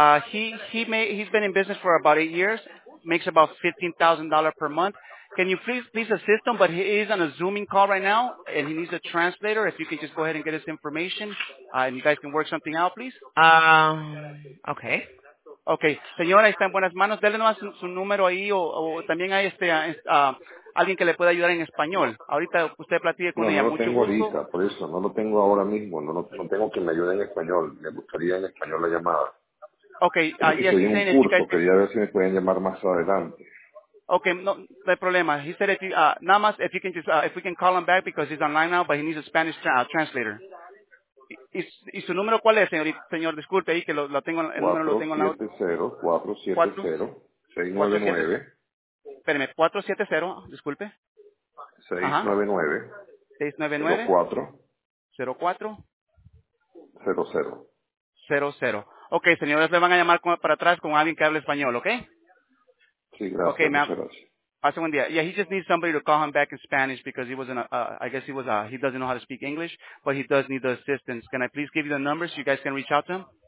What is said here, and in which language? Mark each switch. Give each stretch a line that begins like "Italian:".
English: He's been in business for about 8 years. Makes about $15,000 per month. Can you please assist him? But he is on a Zooming call right now, and he needs a translator. If you could just go ahead and get his information, and you guys can work something out, please. Okay.
Spanish: Okay, señora, está en buenas manos. Dele nomás su número ahí o también hay alguien que le pueda ayudar en español. Ahorita usted platique con ella. No, no lo tengo ahorita, por eso. No lo tengo ahora mismo. No tengo que me ayude en español. Me gustaría en español la llamada. Okay. Quería ver si me pueden llamar más adelante. Okay, no hay problema.
English: He said if we can call him back because he's online now, but he needs a Spanish translator.
Spanish: ¿Y su número cuál es, señor? Disculpe ahí que lo tengo, el número lo tengo en la... 470-470-699. Espéreme, 470, disculpe. 699. 699. 04. 04. 00. 00. Ok, señores, le van a llamar para atrás con alguien que hable español, ¿ok? Sí, gracias. Okay, muchas gracias. Pase buen día.
English: Yeah, he just needs somebody to call him back in Spanish because he was in he doesn't know how to speak English, but he does need the assistance. Can I please give you the number so you guys can reach out to him?